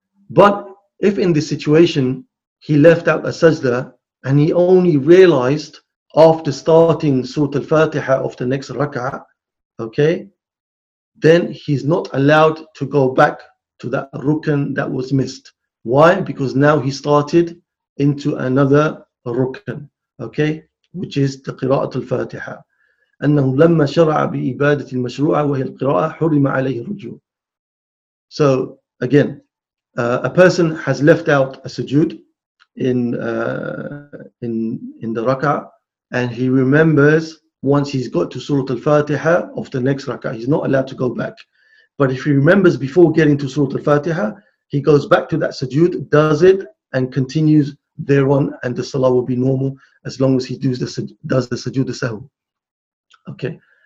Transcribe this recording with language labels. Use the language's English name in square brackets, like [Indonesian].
[English] But if in this situation he left out a sajda and he only realized after starting Surah Al-Fatiha of the next rak'ah, okay, then he's not allowed to go back to that rukn that was missed. Why? Because now he started into another rukn, okay, which is the qira'atul fatiha. [Arabic] أنه لما شرع بإبادة المشروعة وهي القراءة حرم عليه الرجوع. [English] So again, a person has left out a sujood in the rak'ah, and he remembers once he's got to Surah Al-Fatiha of the next rak'ah, he's not allowed to go back. But if he remembers before getting to Surah Al-Fatiha, he goes back to that sujood, does it, and continues thereon, and the salah will be normal as long as he does the sujood the sahu. Okay.